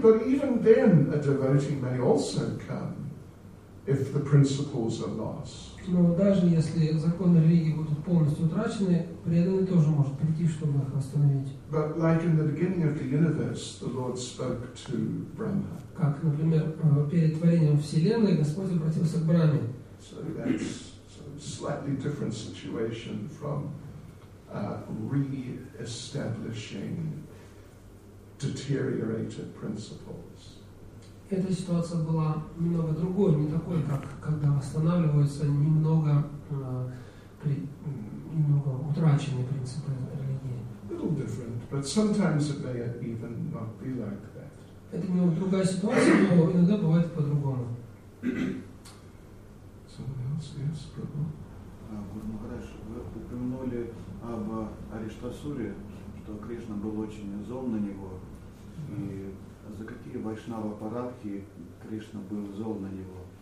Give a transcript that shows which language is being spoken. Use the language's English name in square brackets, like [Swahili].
[English] But even then, a devotee may also come if the principles are lost. [Russian] Но даже если законы религии будут полностью утрачены, преданный тоже может прийти, чтобы их восстановить. [English] But like in the beginning of the universe, the Lord spoke to Brahma. [Russian] Как, например, перед творением вселенной Господь обратился к Брахме. [English] So that's slightly different situation from re-establishing deteriorated principles. [Russian] Эта ситуация была немного другой, не такой, как когда восстанавливаются немного немного утраченные принципы религии. [English] A little different, but sometimes it may even not be like that. [Russian] Это немного другая ситуация, но иногда бывает по-другому. [English] Someone else, yes, Prabhu. [Russian] Гуру Махарадж, вы упомянули об Ариштасуре, что Кришна был очень зол на него. [English] Mm-hmm. [Russian] И за какие вайшнава парадхи Кришна был зол на него?